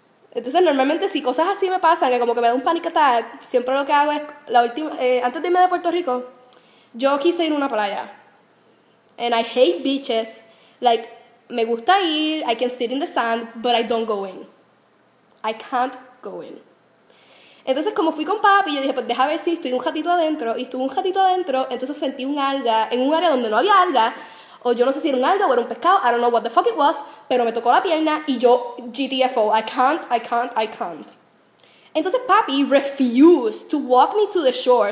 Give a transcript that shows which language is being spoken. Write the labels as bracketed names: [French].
[Spanish] Entonces normalmente si cosas así me pasan, que como que me da un panic attack, siempre lo que hago es, antes de irme de Puerto Rico, yo quise ir a una playa. [English] And I hate beaches. Like, me gusta ir, I can sit in the sand, but I don't go in. I can't go in. [Spanish] Entonces, como fui con papi, yo dije, pues déjame ver si estoy un ratito adentro. Y estuve un ratito adentro, entonces sentí un alga en un área donde no había alga. O yo no sé si era un alga o era un pescado. [English] I don't know what the fuck it was. Pero me tocó la pierna y yo, GTFO, I can't, I can't, I can't. Entonces, papi refused to walk me to the shore.